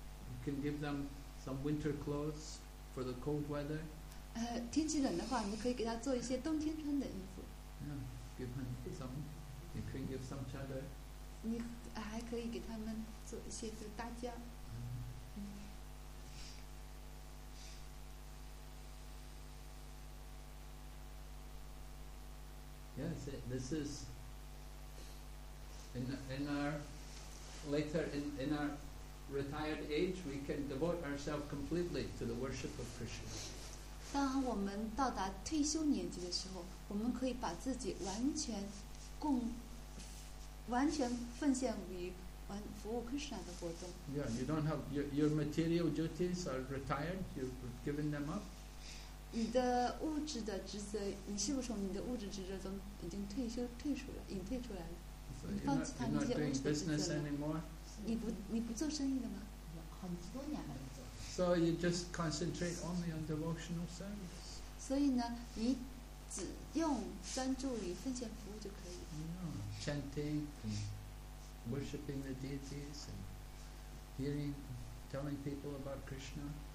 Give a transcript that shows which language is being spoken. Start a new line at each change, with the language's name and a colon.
English: You can give them some winter clothes for the cold weather.
Chinese: 天气冷的话，你可以给他做一些冬天穿的衣服。
English: Yeah, give them some. You can give some chadar.
Chinese: 你还可以给他们做一些这个搭架。
English: Yes, this is in our retired age, we can devote ourselves completely to the worship of Krishna.
Chinese: 当我们到达退休年纪的时候，我们可以把自己完全奉献于服务 Krishna 的活动。
English: Yeah, you don't have your material duties are retired. You've given them up.
Chinese: 你的物质的职责，你是不是从你的物质职责中已经退出了，隐退出来了？
English: So、
Chinese: 你放弃他那些物质的职责了。
English: You're not doing business anymore.
Chinese: 你不做生意的吗？很多年没做。
English: So you just concentrate only on devotional service.
Chinese: 所以呢，你只用专注于奉献服务就可以。
English: Yeah, chanting, worshiping the deities, and telling people about Krishna.